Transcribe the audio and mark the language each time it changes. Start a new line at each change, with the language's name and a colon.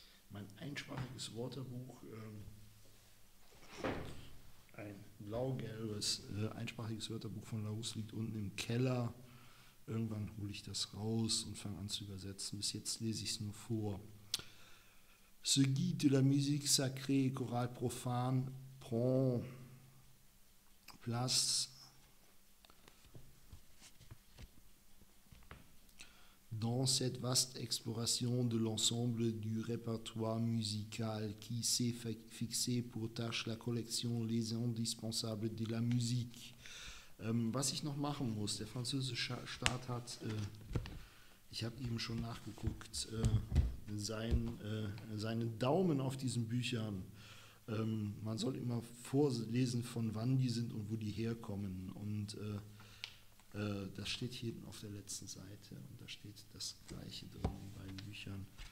German: Mein einsprachiges Wörterbuch. Ein blau-gelbes einsprachiges Wörterbuch von Larousse liegt unten im Keller. Irgendwann hole ich das raus und fange an zu übersetzen. Bis jetzt lese ich es nur vor.
French: Ce guide de la musique sacrée, chorale profane, prend place dans cette vaste exploration de l'ensemble du répertoire musical qui s'est fixé pour tâche la collection les indispensables de la musique.
German: Was ich noch machen muss, der französische Staat hat, ich habe eben schon nachgeguckt, seinen Daumen auf diesen Büchern. Man soll immer vorlesen, von wann die sind und wo die herkommen. Und das steht hier auf der letzten Seite und da steht das Gleiche drin in beiden Büchern.